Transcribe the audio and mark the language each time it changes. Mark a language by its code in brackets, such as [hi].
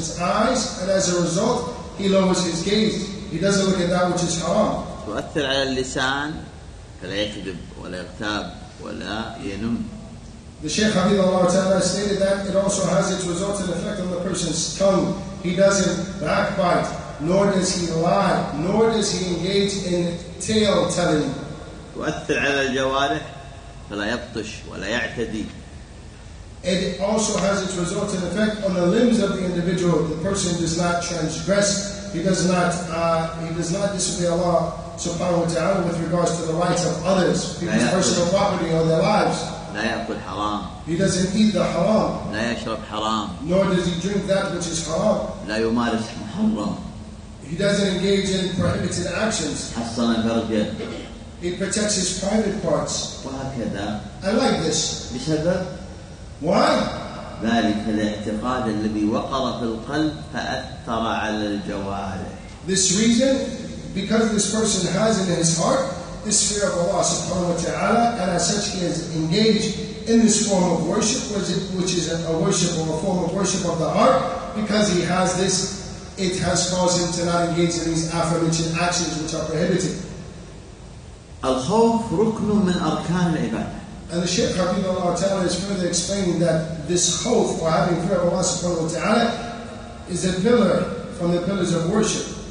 [en] eyes, and as a result, he lowers his gaze. He doesn't look at that which is haram. [ar] تؤثر على اللسان فلا يكذب ولا يغتاب ولا ينم. [en] The Shaykh Hafidhullah Ta'ala stated that it also has its result and effect on the person's tongue. He doesn't backbite, nor does he lie, nor does he engage in tale telling. [ar] تؤثر على الجوارح فلا يبطش ولا يعتدي. [en] It also has its result and effect on the limbs of the individual. The person does not transgress. He does not disobey Allah subhanahu wa ta'ala with regards to the rights of others, people's personal property or their lives. [ar] لَا يَأْكُلْ حَرَامٌ. [en] He doesn't eat the haram. [ar] لَا يَشْرَبْ حَرَامٌ. [en] Nor does he drink that which is haram. [ar] لَا يُمَارِسْ حَرَامٌ. [en] He doesn't engage in prohibited actions. [ar] حَصَّنَ الْفَرْجَةِ. [en] He protects his private parts. [ar] وَهَكَذَا. [en] I like this. [ar] بِسَبَبْ. [en] Why? [ar] ذلك الاعتقاد الذي وقر في القلب فأثر على الجوارح. [en] This reason, because this person has in his heart this fear of Allah subhanahu wa ta'ala, and as such he is engaged in this form of worship, which is a worship or a form of worship of the heart, because he has this, it has caused him to not engage in these aforementioned actions which are prohibited. [ar] الخوف ركن من أركان العبادة. [en] And the Shaykh Hafidhullah Ta'ala is further explaining that this khawf, or having fear of Allah subhanahu wa ta'ala, is a pillar from the pillars of worship.